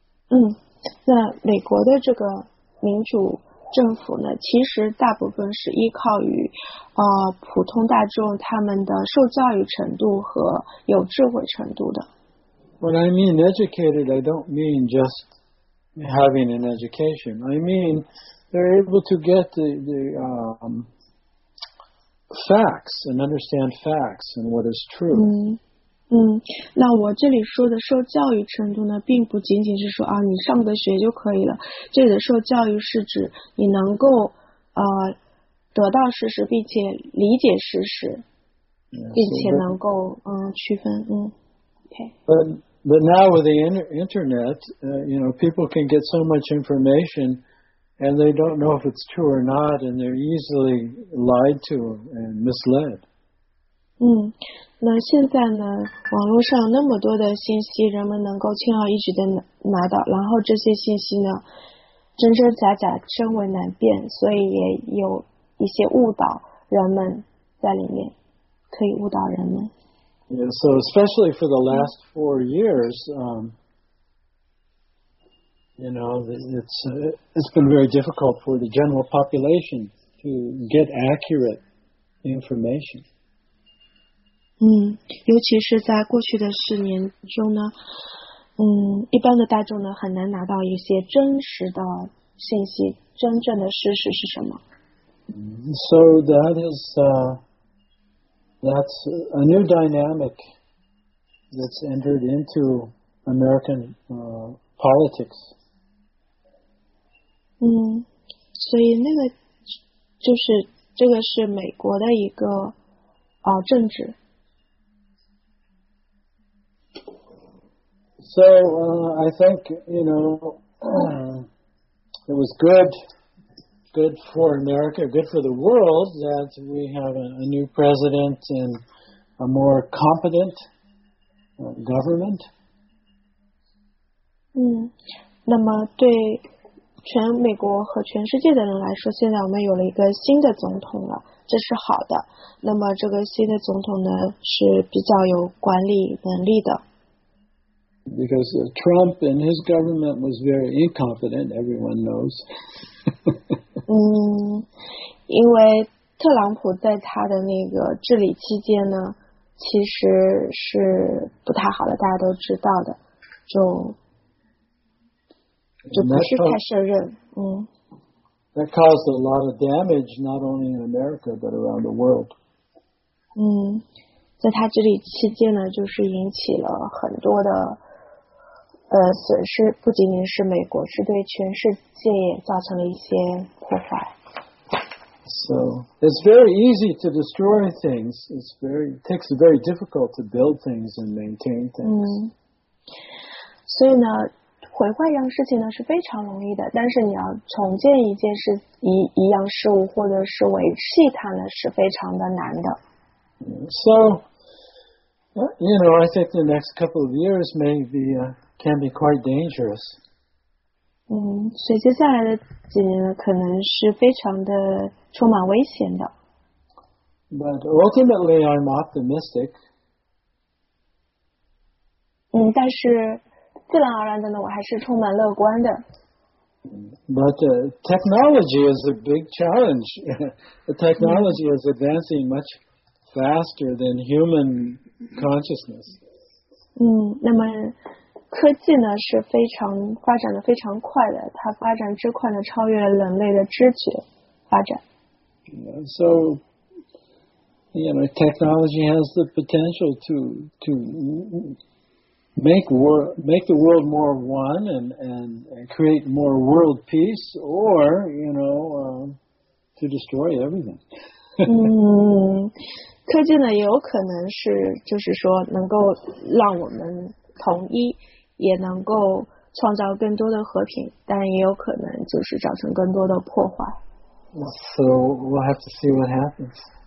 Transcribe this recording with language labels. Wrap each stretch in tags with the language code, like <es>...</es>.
<zh>嗯，那美国的这个民主政府呢，其实大部分是依靠于普通大众他们的受教育程度和有智慧程度的。</zh> <en>When I mean educated, I don't mean just. Having an education. I mean, they're able to get the facts and understand facts and what is true.</en> <zh>那我这里说的受教育程度呢，并不仅仅是说啊，你上个学就可以了。这里的受教育是指你能够得到事实，并且理解事实， yeah, 并且能够区分</zh> <en>But now with the internet, you know, people can get so much information and they don't know if it's true or not and they're easily lied to and misled.</en> <zh>那现在呢，网络上那么多的信息，人们能够轻而易举的拿到，然后这些信息呢，真真假假，真伪难辨，所以也有一些误导人们在里面，可以误导人们。</zh> <en>Yeah, so especially for the last 4 years, you know, it's been very difficult for the general population to get accurate information.</en> <zh>尤其是在过去的四年中呢，一般的大众呢很难拿到一些真实的信息，真正的事实是什么。</zh> <en>So that is, That's a new dynamic that's entered into American politics.</en> <zh>所以那个就是这个是美国的一个政治。</zh> <en>So I think, you know, it was good for America, good for the world that we have a new president and a more competent government.</en> <zh>那么对全美国和全世界的人来说，现在我们有了一个新的总统了，这是好的。那么这个新的总统呢是比较有管理能力的。</zh> <en>Because Trump and his government was very incompetent, everyone knows.</en> <zh>因为特朗普在他的那个治理期间呢其实是不太好的，大家都知道的，就不是太胜任。</zh> <en>That caused a lot of damage, not only in America, but around the world.</en> <zh>在他治理期间呢就是引起了很多的损失，不仅仅是美国，是对全世界也造成了一些破坏。</zh> <en>So it's very easy to destroy things. It's very takes very difficult to build things and maintain things.</en> <zh>所以呢，毁坏一样事情呢是非常容易的，但是你要重建一件事一样事物或者是维系它呢是非常的难的。</zh> <en>So you know, I think the next couple of years may be can be quite dangerous.</en> <zh>所以接下来的几年呢可能是非常的充满危险的。</zh> <en>But ultimately, I'm optimistic.</en> <zh>但是自然而然的呢我还是充满乐观的。</zh> <en>But technology is a big challenge. The technology is advancing much faster than human consciousness.</en> <zh>那么科技呢是非常发展的非常快的，它发展之快呢超越了人类的知觉发展。</zh> <en>So, you know, technology has the potential to make the world more one and create more world peace, or you know, to destroy everything.</en> <zh>科技呢也有可能是就是说能够让我们统一。也能够创造更多的和平，但也有可能就是造成更多的破坏。</zh> <en>So we'll have to see what happens.</en>